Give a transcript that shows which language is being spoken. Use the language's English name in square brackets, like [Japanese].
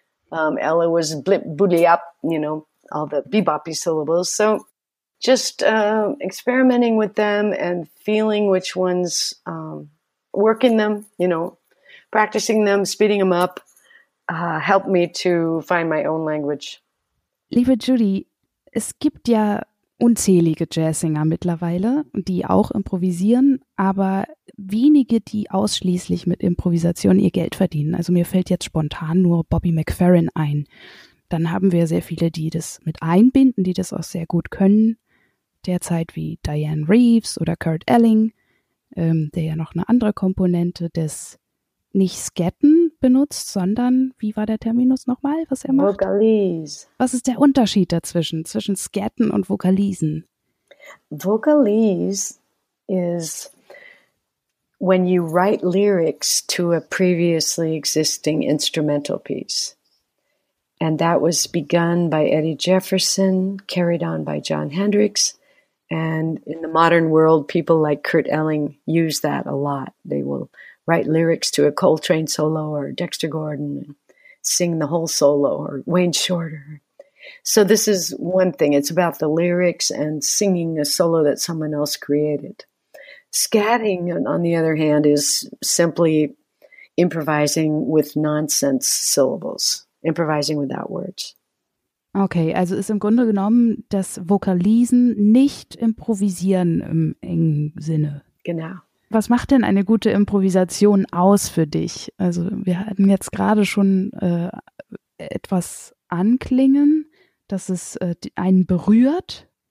[English] Ella was blip boodly up, you know, all the beboppy syllables. So just experimenting with them and feeling which ones work in them, you know, practicing them, speeding them up, helped me to find my own language. [German] Liebe Judy, es gibt ja unzählige Jazzsänger mittlerweile, die auch improvisieren, aber wenige, die ausschließlich mit Improvisation ihr Geld verdienen. Also mir fällt jetzt spontan nur Bobby McFerrin ein. Dann haben wir sehr viele, die das mit einbinden, die das auch sehr gut können. Derzeit wie Diane Reeves oder Kurt Elling, der ja noch eine andere Komponente des nicht Scatten benutzt, sondern, wie war der Terminus nochmal, was er macht? [English] Vocalise. [German] Was ist der Unterschied dazwischen, zwischen Scatten und Vocalisen? [English] Vocalise is when you write lyrics to a previously existing instrumental piece. And that was begun by Eddie Jefferson, carried on by John Hendricks. And in the modern world, people like Kurt Elling use that a lot. They will write lyrics to a Coltrane solo or Dexter Gordon, and sing the whole solo, or Wayne Shorter. So this is one thing. It's about the lyrics and singing a solo that someone else created. Scatting, on the other hand, is simply improvising with nonsense syllables, improvising without words. [German] Okay, also ist im Grunde genommen das Vokalisen nicht improvisieren im engen Sinne. Genau. Was macht denn eine gute Improvisation aus für dich? Also wir hatten jetzt gerade schon etwas anklingen, dass es einen berührt.